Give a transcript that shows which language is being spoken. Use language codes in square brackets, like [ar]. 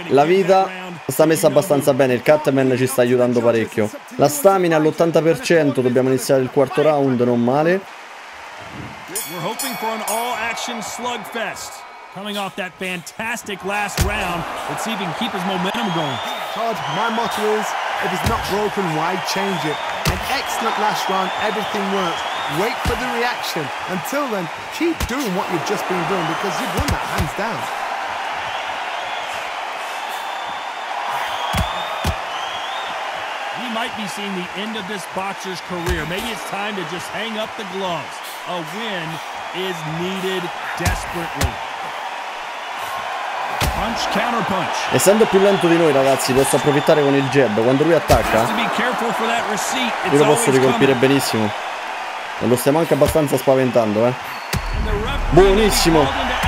[it] La vita sta messa abbastanza bene. Il Cutman ci sta aiutando parecchio. La stamina all'80%. Dobbiamo iniziare il quarto round, non male. [en] We're hoping for an all-action slugfest. Coming off that fantastic last round. Let's see if he can keep his momentum going. Todd, my motto is, if it's not broken, why change it? An excellent last round, everything works. Wait for the reaction. Until then, keep doing what you've just been doing because you've won that hands down. Might be seeing the end of this boxer's career. Maybe it's time to just hang up the gloves. A win is needed desperately. Punch counter punch. [it] Essendo più lento di noi, ragazzi, posso approfittare con il jab. Quando lui attacca, io lo posso ricolpire benissimo. E lo stiamo anche abbastanza spaventando, eh. Buonissimo.